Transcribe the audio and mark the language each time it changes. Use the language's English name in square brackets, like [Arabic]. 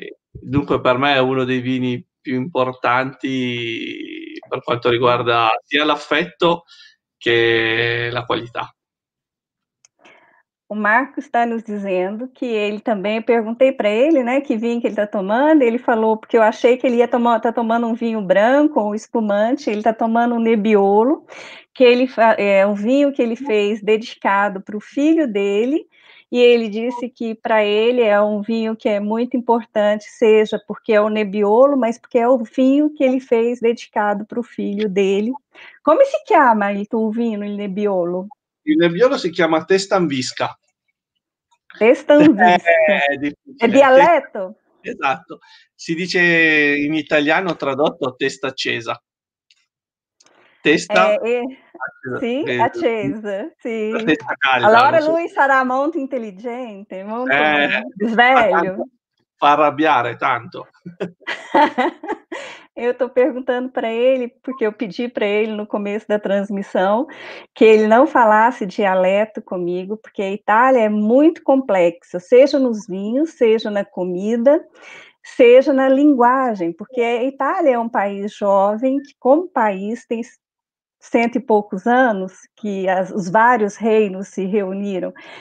[Italian] Dunque, per me è uno dei vini più importanti per quanto riguarda sia l'affetto che la qualità. [Portuguese] O Marco está nos dizendo que ele também, eu perguntei para ele, né, que vinho que ele está tomando, ele falou, porque eu achei que ele ia tomar, está tomando um vinho branco ou um espumante, ele está tomando um Nebbiolo, que ele é um vinho que ele fez dedicado para o filho dele, e ele disse que para ele é um vinho que é muito importante, seja porque é o Nebbiolo, mas porque é o vinho que ele fez dedicado para o filho dele. Como se chama ele, o vinho, il Nebbiolo? [Italian] Il Nebbiolo si chiama Testa in Visca. Testanvisca. È È difficile. dialetto? Esatto. Si dice in italiano tradotto testa accesa. Testa accesa. Sì, accesa, La sì. testa calda, non Allora so. lui sarà molto intelligente, molto sveglio. Fa arrabbiare tanto. [Portuguese] Eu estou perguntando para ele, porque eu pedi para ele no começo da transmissão que ele não falasse dialeto comigo, porque a Itália é muito complexa, seja nos vinhos, seja na comida, seja na linguagem, porque a Itália é um país jovem, que como país tem cento e poucos anos que os vários reinos se reuniram.